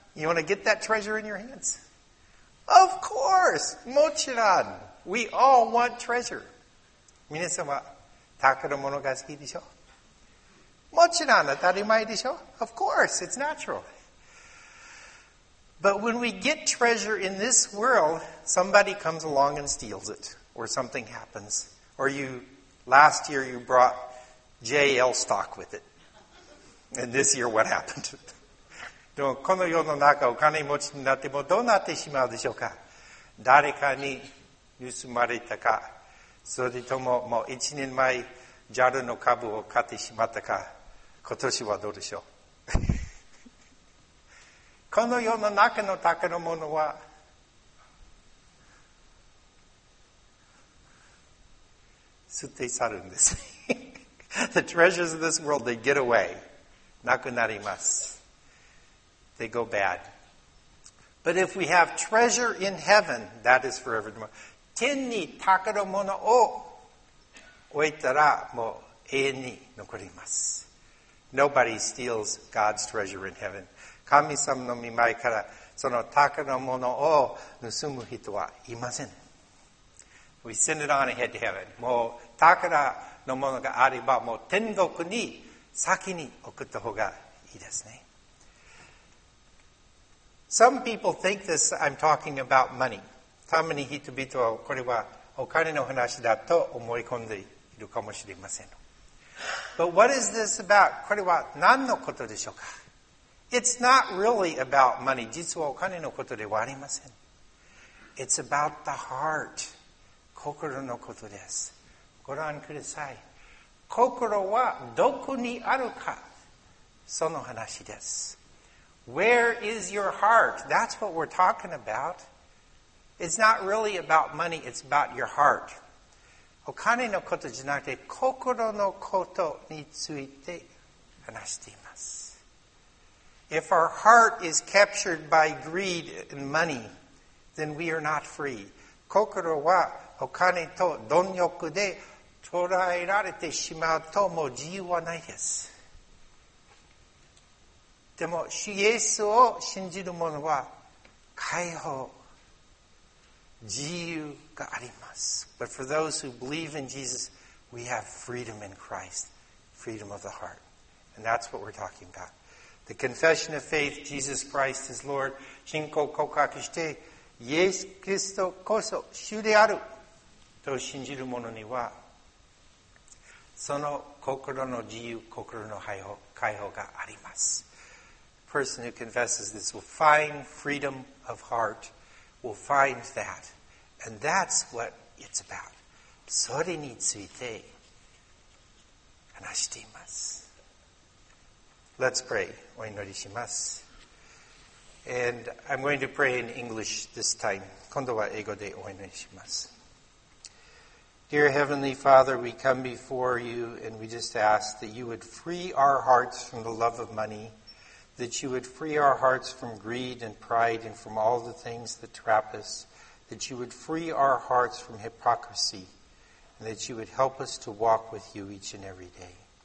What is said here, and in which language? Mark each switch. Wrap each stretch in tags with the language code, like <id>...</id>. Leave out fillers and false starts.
<en>You want to get that treasure in your hands? Of course!</en> <ja>もちろん!</ja> <en>We all want treasure.</en> <ja>皆様、宝物が好きでしょ?もちろん、当たり前でしょ?</ja> <en>Of course, it's natural. But when we get treasure in this world, somebody comes along and steals it, or something happens, or you... Last year you brought J.L. stock with it. And this year what happened?</en> <ja>でもこの世の中お金持ちになってもどうなってしまうでしょうか誰かに盗まれたかそれとももう1年前 JAL の株を買ってしまったか今年はどうでしょうこの世の中の宝物は吸って去るんです。</ja> <en>The treasures of this world, they get away.</en> <ja>なくなります。</ja> <en>They go bad. But if we have treasure in heaven, that is forever.</en> <ja>天に宝物を置いたらもう永遠に残ります。</ja> <en>Nobody steals God's treasure in heaven.</en> <ja>神様の御前からその宝物を盗む人はいません。</ja> <en>We send it on ahead to heaven.</en> <ja>もう宝のものがあればもう天国に先に送った方がいいですね。</ja> <en>Some people think this I'm talking about money.</en> <ja>たまに人々はこれはお金の話だと思い込んでいるかもしれません。</ja> <en>But what is this about?</en> <ja>これは何のことでしょうか?</ja> <en>It's not really about money.</en> <ja>実はお金のことではありません。</ja> <en>It's about the heart.</en> <ja>心のことです。ご覧ください。心はどこにあるか、その話です。</ja> <en>Where is your heart? That's what we're talking about. It's not really about money, it's about your heart.</en> <ja>お金のことじゃなくて、心のことについて話しています。</ja> <en>If our heart is captured by greed and money, then we are not free.</en> <ja>心はお金と貪欲で捕らえられてしまうともう自由はないです。でも、主イエスを信じる者は解放自由があります。</ja> <en>But for those who believe in Jesus, we have freedom in Christ, freedom of the heart. And that's what we're talking about. The confession of faith, Jesus Christ is Lord.</en> <ja>信仰告白して、イエス・キリストこそ主であると信じる者には、その心の自由、心の解放があります。</ja> <en>Person who confesses this will find freedom of heart, will find that. And that's what it's about.</en> <ja>それについて話しています。</ja> <en>Let's pray.</en> <ja>お祈りします。</ja> <en>And I'm going to pray in English this time.</en> <ja>今度は英語でお祈りします。</ja> <en>Dear Heavenly Father, we come before you and we just ask that you would free our hearts from the love of money. That you would free our hearts from greed and pride and from all the things that trap us. That you would free our hearts from hypocrisy. And that you would help us to walk with you each and every day.</en>